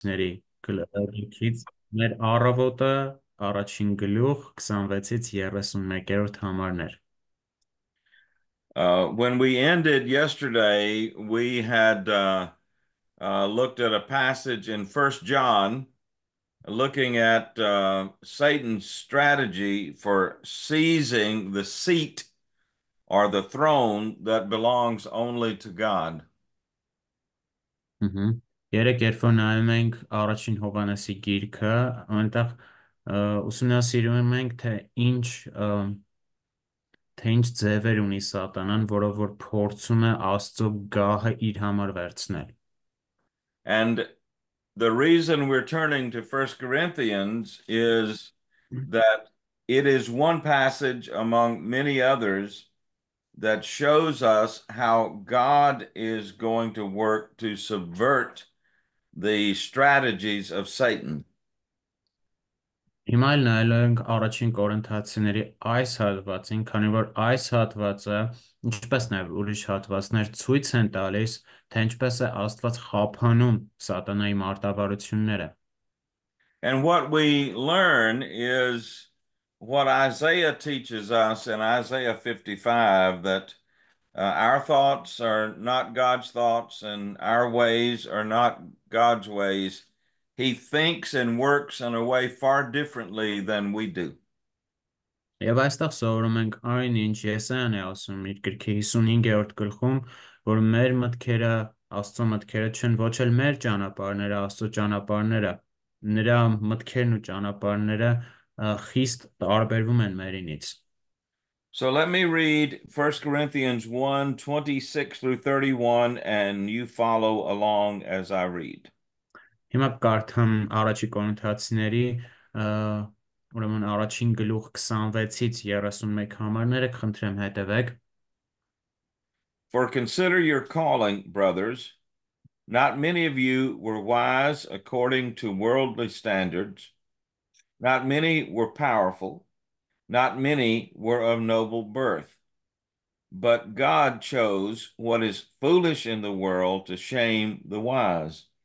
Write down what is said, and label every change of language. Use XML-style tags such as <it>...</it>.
<hy>ների գլխից մեր առավոտը առաջին գլուխ 26-ից 31-րդ համարներ։</hy> <en>When we ended yesterday, we had looked at a passage in 1 John looking at Satan's strategy for seizing the seat or the throne that belongs only to God.</en> <hy>Երեք երբ որ նայում ենք առաջին Հովհանեսի գիրքը, այնտեղ ուսումնասիրում ենք, թե ինչ ձևեր ունի Սատանան, որով որ փորձում է Աստծո գահը իր համար վերցնել։</hy> <en>And the reason we're turning to 1 Corinthians is that it is one passage among many others that shows us how God is going to work to subvert the strategies of Satan.</en> <hy>Հիմա այլ նայելու ենք առաջին Կորինթացիների այս հատվածին, քանի որ այս հատվածը, ինչպես նաև ուրիշ հատվածներ ցույց են տալիս, թե ինչպես է Աստված խափանում Սատանայի մարտավարությունները։</hy> <en>And what we learn is what Isaiah teaches us in Isaiah 55, that our thoughts are not God's thoughts and our ways are not God's ways. He thinks and works in a way far differently than we do.</en> <hy>Եվ այստեղ սովորում ենք այն, ինչ Եսայան է ասում իր գրքի 55-րդ գլխում, որ մեր մտքերը Աստծո մտքերը չեն, ոչ էլ մեր ճանապարհները Աստծո ճանապարհները, նրա մտքերն ու ճանապարհները խիստ տարբերվում են մերինից։</hy> <en>So let me read 1 Corinthians 1, 26 through 31, and you follow along as I read.</en> <hy>Հիմա կարդամ առաջի Կորինթացիների ուրեմն առաջին գլուխ 26-ից 31 համարները, խնդրեմ հետևեք։</hy> <en>For consider your calling, brothers. Not many of you were wise according to worldly standards. Not many were powerful. Not many were of noble birth, but God chose what is foolish in the world to shame the wise.</en>